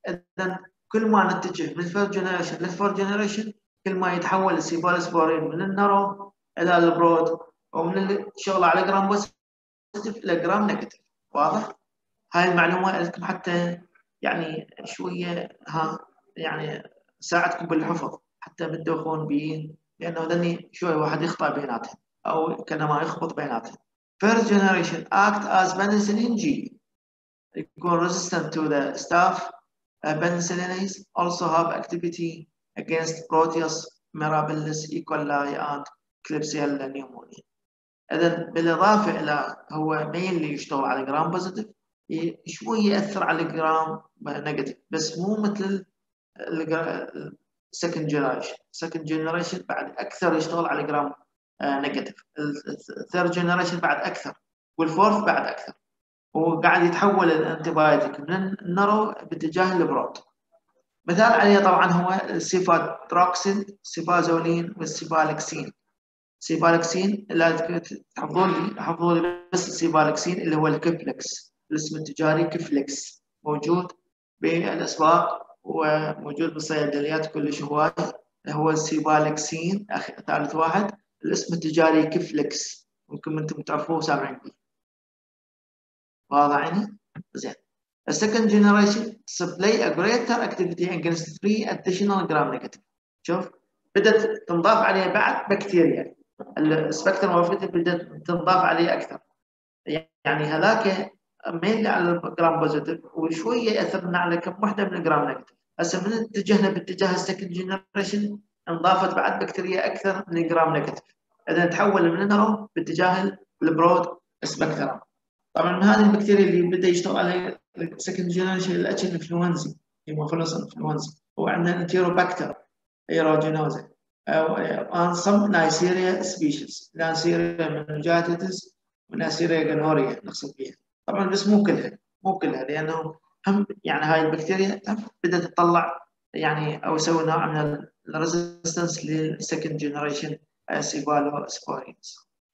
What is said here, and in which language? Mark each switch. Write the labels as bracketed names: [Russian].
[Arabic] اذا كل ما نتجه من الفيرست جنريشن للفورث جنريشن كل ما يتحول السيفالوسبورين من النارو الى البرود ومن الشغل على الجرام بوزيتيف الى الجرام نيجاتيف. واضح؟ هاي المعلومه لكم حتى يعني شويه ها يعني ساعدكم بالحفظ حتى بتدخون بين، لانه ذني شوي واحد يخطا بيناتهم او كانما يخبط بيناتهم. [English] First generation act as penicillin G. [Arabic] يكون [English] resistant to the staph penicillinase. Also have activity against Proteus mirabilis, E. coli and Klebsiella pneumoniae. [Arabic] اذا بالاضافه الى هو مين اللي يشتغل على جرام بوزيتيف شوي ياثر على الجرام نيجاتيف بس مو مثل السكند جنريشن. سكند جنريشن بعد اكثر يشتغل على جرام نيجاتيف، الثيرد جنريشن بعد اكثر والفورث بعد اكثر، وقاعد يتحول الانتي بايوتيك من النرو باتجاه البرود. مثال عليه طبعا هو السيفادروكسين، سيفازولين والسيفالكسين. سيفالكسين لا تحفظوا لي بس السيفالكسين اللي هو الكفلكس، الاسم التجاري كفلكس، موجود بالاسواق وموجود بالصيدليات كلش هواي، هو السيفالكسين ثالث واحد، الاسم التجاري كفلكس، ممكن انتم تعرفوه وسامعين به. واضح يعني؟ زين. [English] The second generation supply a greater activity against three additional gram negative. [Arabic] شوف بدت تنضاف عليه بعد بكتيريا. السبكترم بدت تنضاف عليه اكثر. يعني هذاك ميل على الجرام بوزيتيف وشويه اثرنا على كم وحده من الجرام نيجاتيف. هسه من اتجهنا باتجاه السكند جنريشن انضافت بعد بكتيريا اكثر من الجرام نيجاتيف، اذا تحول من النرو باتجاه البرود سبكترم. طبعا من هذه البكتيريا اللي بدا يشتغل على السكند جنريشن الاتش انفلونزي، هيموفلوس انفلونزي، وعندنا انتيروباكتر ايروجينوزا [English] and some Neisseria species. [Arabic] Neisseria meningitidis وناسيريا جنوريا نقصد فيها. طبعا بس مو كلها، مو كلها، لانه هم يعني هاي البكتيريا هم بدات تطلع يعني او يسوي نوع من الريزيستنس للسكند جنريشن سيبالو سبورينز.